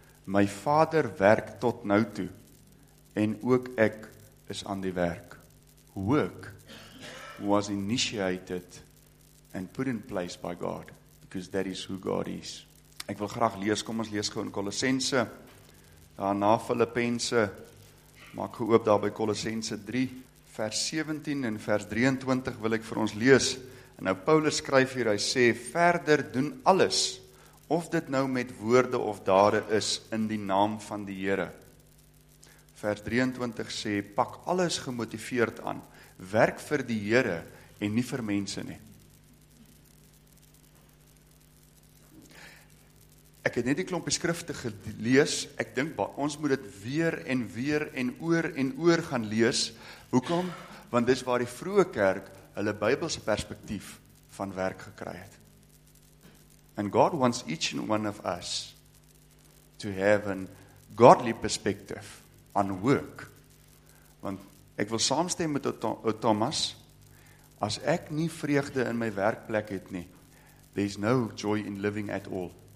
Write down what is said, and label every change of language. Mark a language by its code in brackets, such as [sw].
[af] My Vader werk tot nou toe en ook ek is aan die werk. [en] Work was initiated and put in place by God. Because that is who God is. [af] Ek wil graag lees, kom ons lees gou in Kolossense, daarna Filippense, maak geoop daar by Kolossense 3, vers 17 en vers 23 wil ek vir ons lees. En nou Paulus skryf hier, hy sê, verder doen alles of dit nou met woorde of dade is in die naam van die Here. Vers 23 sê, pak alles gemotiveerd aan, werk vir die Here en nie vir mense nie. Ek het net die klompie skrifte gelees, ek dink ons moet dit weer en weer en oor gaan lees. Hoekom? Want dis waar die vroeë kerk hulle Bybelse perspektief van werk gekry het. [en] And God wants each and one of us to have a godly perspective on work. [af] Want ek wil saamstem met Thomas, as ek nie vreugde in my werkplek het nie, [en] there's no joy in living at all.